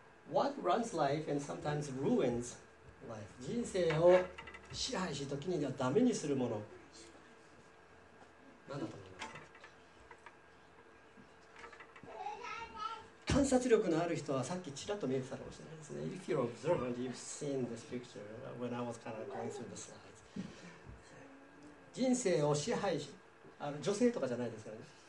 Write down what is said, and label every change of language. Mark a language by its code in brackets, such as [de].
[en] What runs life and sometimes ruins life? [ja] 人生を支配し、時にはダメにするもの。何だと思いますか？観察力のある人はさっきちらっと見えてたかもしれないですね。 [en] If you're observant, you've seen this picture when I was kind of going through the slides. [ja] 人生を支配し、あの女性とかじゃないですからね。